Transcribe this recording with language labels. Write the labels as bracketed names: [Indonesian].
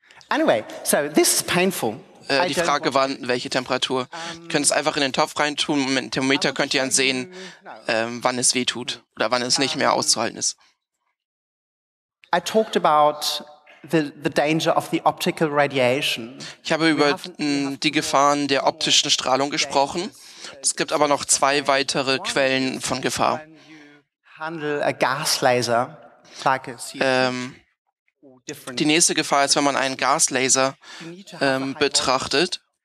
[English] Anyway, so this is painful. [German] Die Frage war, welche Temperatur. Ihr könnt es einfach in den Topf reintun und mit dem Thermometer könnt ihr dann sehen, wann es weh tut oder wann es nicht mehr auszuhalten ist. [English] I talked about the danger of the optical radiation. [German] Ich habe über die Gefahren der optischen Strahlung gesprochen. Es gibt aber noch zwei weitere Quellen von Gefahr. Die nächste Gefahr ist, wenn man einen Gaslaser betrachtet.